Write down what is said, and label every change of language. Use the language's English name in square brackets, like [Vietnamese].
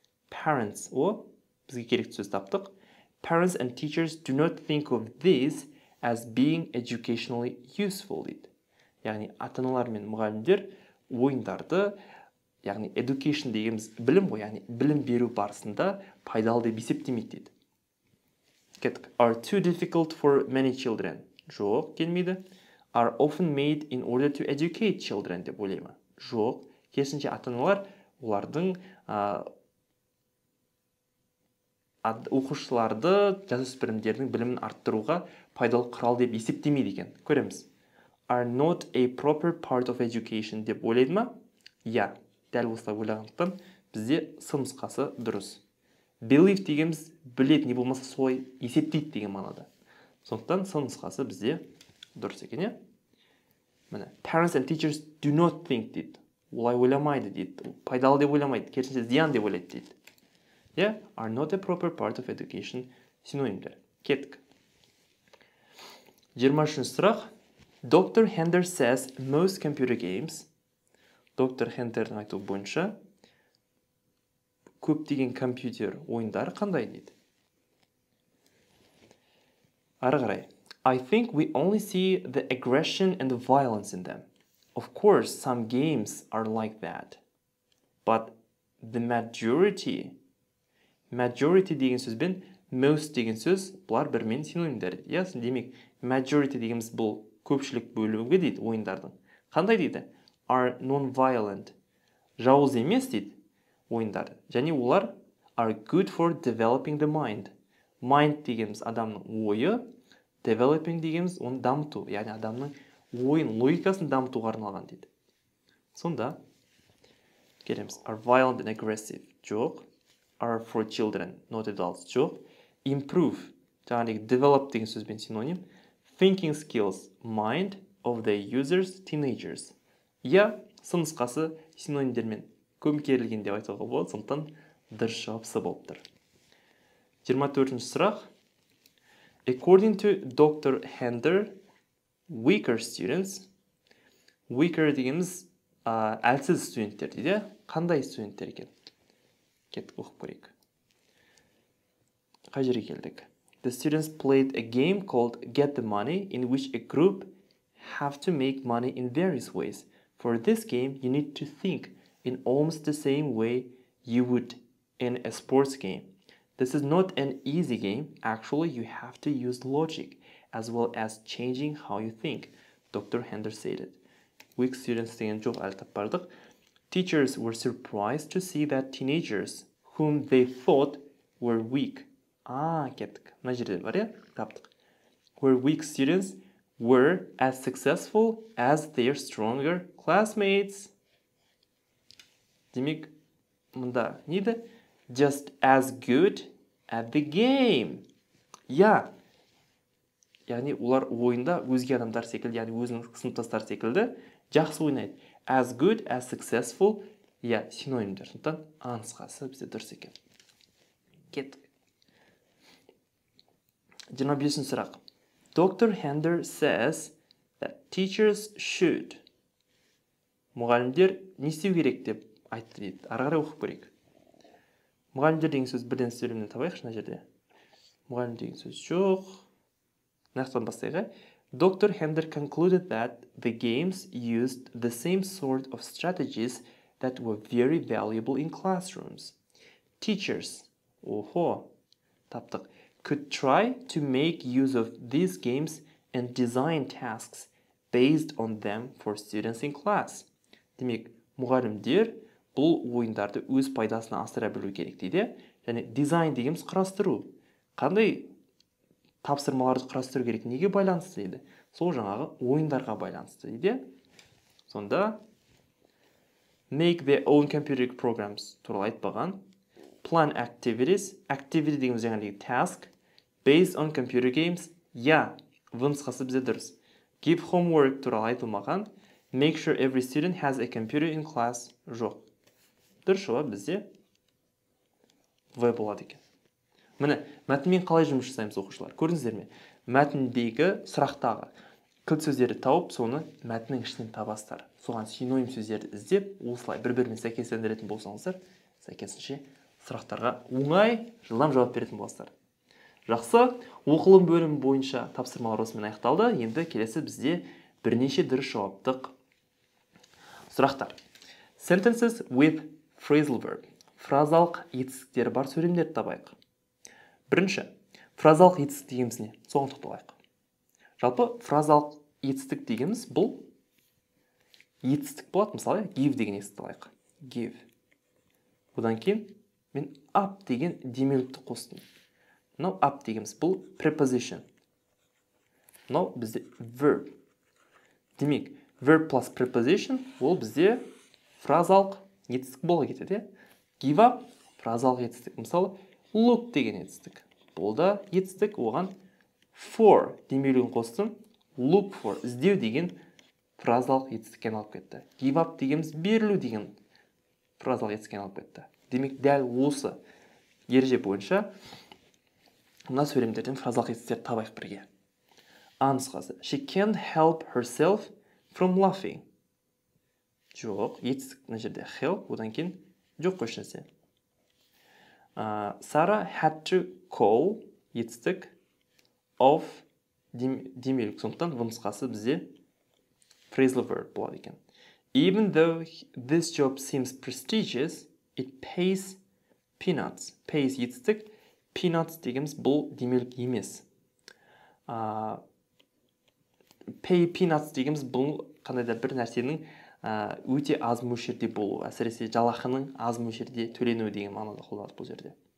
[English] Parents, or [Kazakh] бізге керек сөз таптық. [English] Parents and teachers do not think of this as being educationally useful, [Kazakh] дейді. Яғни, ата-аналар мен мұғалімдер ойындарды, яғни, education дегеніміз білім ғой, яғни, білім беру барысында пайдалы деп есептемейді, дейді. Кеттік. [English] Are too difficult for many children. [Kazakh] Жоқ, келмейді. [English] Are often made in order to educate children, [Kazakh] деп ойлаймын. Жоқ. Керісінше, ата-аналар олардың... оқушыларды жасөспірімдердің білімін арттыруға пайдалы құрал деп есептемейді екен. Көреміз. [English] Are not a proper part of education [Kazakh] деп ойлайды ма? Иә. Дәл осылай ойлағандықтан бізде сынысқасы дұрыс. Believe дегеніміз біледі, не болмаса солай есептейді деген мағынада. Сондықтан сынысқасы бізде дұрыс екен, иә? Міне, [English] parents and teachers do not think that. [Kazakh] Олай ойламайды дейді. Пайдалы деп ойламайды, керісінше зиян деп ойлайды дейді. [English] Yeah, are not a proper part of education. [Kazakh] Синонимдер. Кеттік. 23-ші сұрақ. Dr. [English] Hender says most computer games. Dr. [Kazakh] Hender-дің айтуы бойынша көп деген компьютер ойындары қандай дейді? Ары қарай. [English] I think we only see the aggression and the violence in them. Of course, some games are like that. But the majority... [Kazakh] Majority деген сөз бен most деген сөз бұлар бірмен синонимдер. Yes, демек, majority дегеніміз бұл көпшілік бөлігі дейді ойындардың. Қандай дейді? [English] Are non-violent. [Kazakh] Жауыз емес дейді ойындар. Және олар [English] are good for developing the mind. [Kazakh] Mind дегеніміз адамның ойы, developing дегеніміз оны дамыту. Яғни адамның ойын, логикасын дамытуға арналған дейді. Сонда, келеміз, [English] are violent and aggressive. [Kazakh] Жоқ. [English] Are for children, not adults. [Kazakh] Жоқ. Improve. Жаңа деген develop деген сөзбен синоним. [English] Thinking skills, mind of the users, teenagers. [Kazakh] Иә, сынысқасы синонимдермен көмкерілген деп айтуға болады. Сондықтан дұрыс жауап С болып тұр. 24-ші сұрақ. [English] According to Dr. Hender, weaker students. [Kazakh] Weaker дегеніміз әлсіз студенттер дейді. Қандай студенттер екен? Кеттік оқып көрейік. Қай жерге келдік? [English] The students played a game called Get the Money in which a group have to make money in various ways. For this game, you need to think in almost the same way you would in a sports game. This is not an easy game. Actually, you have to use logic as well as changing how you think. Dr. Hender said it. [Kazakh] Weak students деген жоқ әлі таппардық. [English] Teachers were surprised to see that teenagers, whom they thought were weak, [Kazakh] кеттік, мына жерде бар, иә, таптық, [English] were weak students, were as successful as their stronger classmates. Демек, мұнда не де? Just as good at the game. Иә. [Kazakh] Яғни, олар ойында өзге адамдар секілді, яғни, өзінің сыныптастары секілді, жақсы ойнайды. [English] As good, as successful, yeah, [Kazakh] синонимдер. Сондықтан, аңызқасы бізде дұрыс екен. Кет. 25-ші сұрақ. Dr. [English] Hender says that teachers should. [Kazakh] Мұғалімдер не істеу керек деп айтты дейді. Ары-қарай оқып көрейік. Мұғалімдер деген сөз бірден сөйлемінен табайықшы мына жерде. Мұғалім деген сөз жоқ. Нақтан бастайық. Dr. [English] Hender concluded that the games used the same sort of strategies that were very valuable in classrooms. Teachers, oho, [Kazakh] таптық, [English] could try to make use of these games and design tasks based on them for students in class. [Kazakh] Демек, мұғалімдер бұл ойындарды өз пайдасына асыра білу керек дейді. Және дизайн дегеніміз құрастыру. Қандай тапсырмаларды құрастыру керек, неге байланысты дейді? Сол жаңағы ойындарға байланысты дейді. Сонда, [English] make their own computer programs [Kazakh] туралы айтпаған, [English] plan activities, activity [Kazakh] дегеніміз жаңағы [English] task, based on computer games, yeah, [Kazakh] вымсқасы бізе дұрыс. [English] Give homework [Kazakh] туралы айтылмаған, [English] Make sure every student has a computer in class. [Kazakh] Жоқ. Дұрыс жауап бізде V болады екен. Міне, мәтінмен қалай жұмыс жасаймыз оқушылар? Көрдіңіздер ме? Мәтіндегі сұрақтағы кілт сөздерді тауып, соны мәтіннің ішінен табасыздар. Соған синоним сөздерді іздеп, осылай бір-бірімен сәйкестендіретін болсаңыздар, сәйкесінше сұрақтарға оңай, жылдам жауап беретін боласыздар. Жақсы, оқылым бөлім бойынша тапсырмалар осымен аяқталды. Енді келесі бізде бірнеше дұрыс жауаптық сұрақтар. [English] Sentences with phrasal verb. [Kazakh] Фразалық етістіктері бар сөйлемдерді табайық. Бірінші, фразалық етістік дегеніміз не? Соған тоқталайық. Жалпы, фразалық етістік дегеніміз бұл етістік болады. Мысалы, give деген етістік алайық. Give. Одан кейін, мен up деген демеулікті қостым. Now, up дегеніміз бұл preposition. Now, бізде verb. Демек, verb plus preposition, ол бізде фразалық етістік бола кетеді. Give up, фразалық етістік. Мысалы, look деген етістік. Болда етістік, оған for демеулігін қостым. Look for, іздеу деген фразалық етістікке алып кетті. Give up дегеніміз берілу деген фразалық етістікке алып кетті. Демек, дәл осы ереже бойынша мына сөйлемдерден фразалық етістіктерді табайық бірге. А нұсқасы, [English] she can't help herself from laughing. [Kazakh] Жоқ, етістік мына жерде help, одан кейін жоқ қойшы нәрсе. [English] Сара had to call [Kazakh] етістік [English] of [Kazakh] демелік. Сондықтан нұсқасы бізде phrasal verb болады екен. [English] Even though this job seems prestigious, it pays peanuts. [Kazakh] Pays етістік, peanuts дегеніміз бұл демелік емес. Pay peanuts дегеніміз бұл қандайда бір нәрсенің өте аз мөлшерде болу, әсіресе жалақының аз мөлшерде төленуі деген мағынада қолданылады бұл жерде.